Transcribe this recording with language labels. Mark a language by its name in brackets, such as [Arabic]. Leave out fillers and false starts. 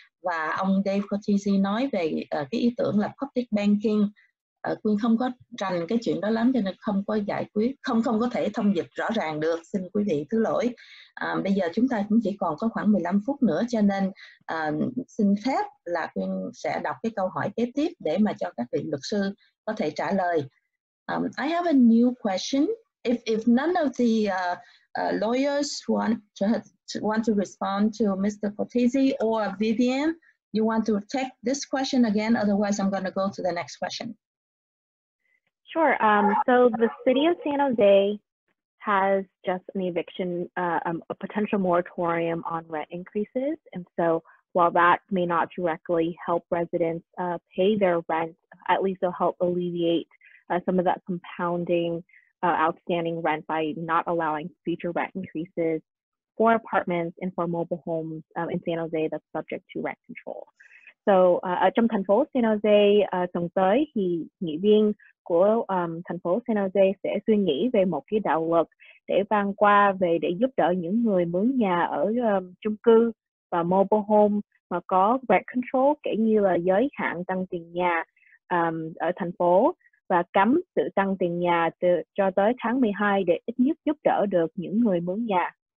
[Vietnamese] Và ông Dave Cortese nói về cái ý tưởng là public banking, Quyên không có rành cái chuyện đó lắm cho nên không có giải quyết, không có thể thông dịch rõ ràng được, xin quý vị thứ lỗi. Bây giờ chúng ta cũng chỉ còn có khoảng 15 phút nữa cho nên xin phép là Quyên sẽ đọc cái câu hỏi kế tiếp để mà cho các vị luật sư có thể trả lời. [English] I have a new question. If none of the lawyers want to respond to Mr. Cortese or Vivian, you want to take this question again? Otherwise, I'm going to go to the next question. Sure. So the city of San Jose has just an eviction, a potential moratorium on rent increases. And so while that may not directly help residents pay their rent, at least it'll help alleviate some of that compounding outstanding rent by not allowing future rent increases for apartments and for mobile homes in San Jose that's subject to rent control. [Vietnamese] So, Trong thành phố San Jose tuần tới thì nghị viên của thành phố San Jose sẽ suy nghĩ về một cái đạo luật để ban qua về để giúp đỡ những người mướn nhà ở chung cư và mobile home mà có rent control, kể như là giới hạn tăng tiền nhà ở thành phố, và cấm sự tăng tiền nhà cho tới tháng 12 để ít nhất giúp đỡ được những người mướn nhà.